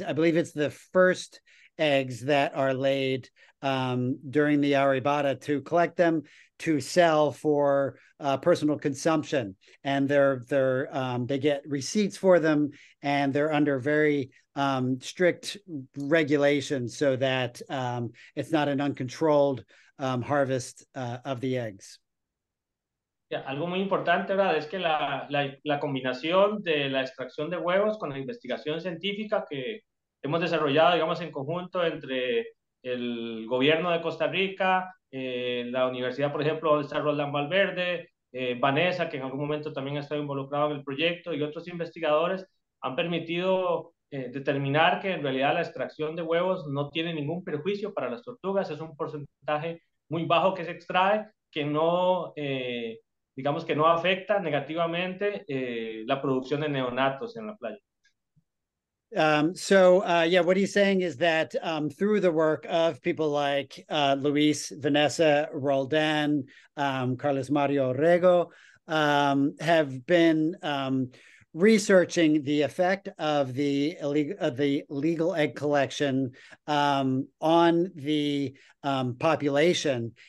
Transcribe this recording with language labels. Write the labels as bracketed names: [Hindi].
[English] I believe it's the first eggs that are laid during the Arribada, to collect them to sell for personal consumption. And they get receipts for them, and they're under very strict regulations so that it's not an uncontrolled harvest of the eggs. [Spanish] Yeah, algo muy importante, ¿verdad? Es que la combinación de la extracción de huevos con la investigación científica que hemos desarrollado, digamos, en conjunto entre el gobierno de Costa Rica, la universidad, por ejemplo, donde está Roland Valverde, Vanessa, que en algún momento también ha estado involucrado en el proyecto, y otros investigadores, han permitido determinar que en realidad la extracción de huevos no tiene ningún perjuicio para las tortugas. Es un porcentaje muy bajo que se extrae, que no, digamos, que no afecta negativamente la producción de neonatos en la playa. [English] What he's saying is that through the work of people like Luis, Vanessa, Roldan, Carlos Mario Orrego, have been researching the effect of the legal egg collection on the population.